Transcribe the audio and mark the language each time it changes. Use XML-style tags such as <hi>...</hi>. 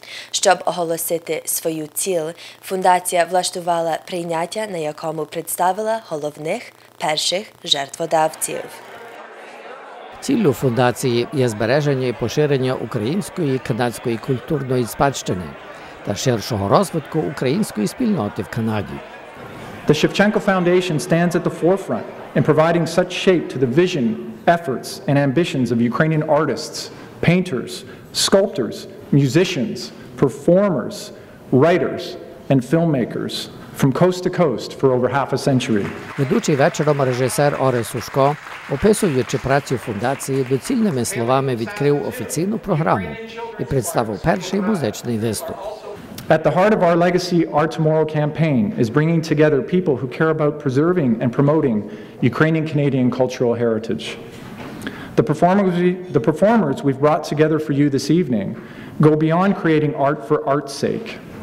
<uk>Щоб оголосити свою ціль, фундація влаштувала прийняття, на якому представила головних перших жертводавців. Ціллю фундації є збереження і поширення української канадської культурної спадщини та ширшого розвитку української спільноти в Канаді.</uk> <en>The Shevchenko Foundation stands at the forefront in providing such shape to the vision, efforts and ambitions of Ukrainian artists, painters, sculptors, musicians, performers, writers and filmmakers from coast to coast for over half a century.</en> <uk>Ведучий вечором режисер Орес Ушко, описуючи працю фундації, доцільними словами відкрив офіційну програму і представив перший музичний виступ.</uk> <en>At the heart of our Legacy Our Tomorrow campaign is bringing together people who care about preserving and promoting Ukrainian-Canadian cultural heritage. The performers we've brought together for you this evening go beyond creating art for art's sake.</en>